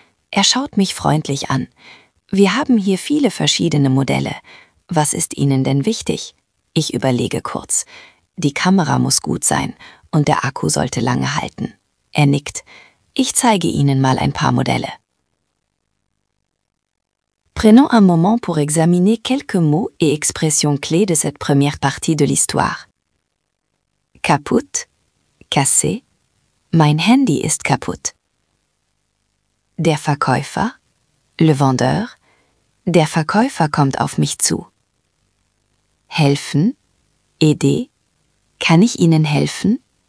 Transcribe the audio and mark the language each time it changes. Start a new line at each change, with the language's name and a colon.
German: Er schaut mich freundlich an. Wir haben hier viele verschiedene Modelle. Was ist Ihnen denn wichtig? Ich überlege kurz. Die Kamera muss gut sein und der Akku sollte lange halten. Er nickt. Ich zeige Ihnen mal ein paar Modelle.
French: Prenons un moment pour examiner quelques mots et expressions clés de cette première partie de l'histoire.
German: Kaputt, cassé, mein Handy ist kaputt. Der Verkäufer,
French: le vendeur,
German: der Verkäufer kommt auf mich zu. Helfen, aider, kann ich Ihnen helfen?